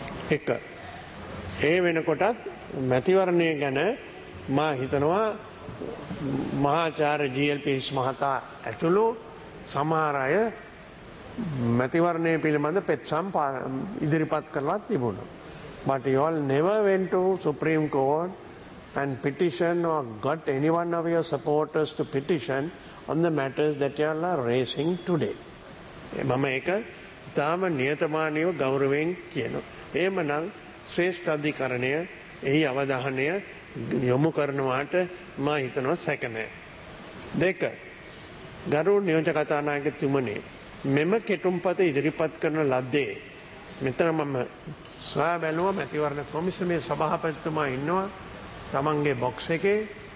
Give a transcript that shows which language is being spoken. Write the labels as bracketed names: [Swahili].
[Sinhala] එක, ඒ වෙනකොටත් මැතිවරණය ගැන මා හිතනවා මහාචාර්ය ජීඑල්පීස් මහතා ඇතුළු සමහර අය මැතිවරණය පිළිබඳ පෙත්සම් ඉදිරිපත් කරලා තිබුණා. [English] But you all never went to Supreme Court and petition or got any one of your supporters to petition on the matters that you all are raising today. [Sinhala] මම ඒක ඉතාම නියතමානීව ගෞරවයෙන් කියනවා. එහෙමනම් ශ්‍රේෂ්ඨ අධිකරණය එහි අවධානය යොමු කරනවාට මා හිතනවා සැක නැහැ. දෙක, ගරු නියෝජ කතානායකතුමනි මෙම කෙටුම්පත ඉදිරිපත් කරන ලද්දේ මෙතන මම සොයා බැලුවා මැතිවරණ කොමිසමේ සභාපතිතුමා ඉන්නවා තමන්ගේ බොක්ස් එකේ.